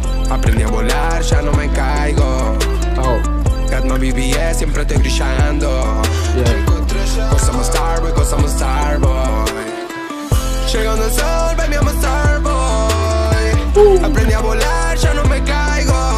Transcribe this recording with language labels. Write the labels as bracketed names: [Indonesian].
[Spanish] Aprendí a volar, ya no me caigo. [English] Got my BBS, [Spanish] siempre estoy brillando. Chico Estrella. [English] Cause I'm a star boy, cause I'm a star boy. [Spanish] Llegando el sol, [English] baby, I'm a star boy. [Spanish] Aprendí a volar, ya no me caigo.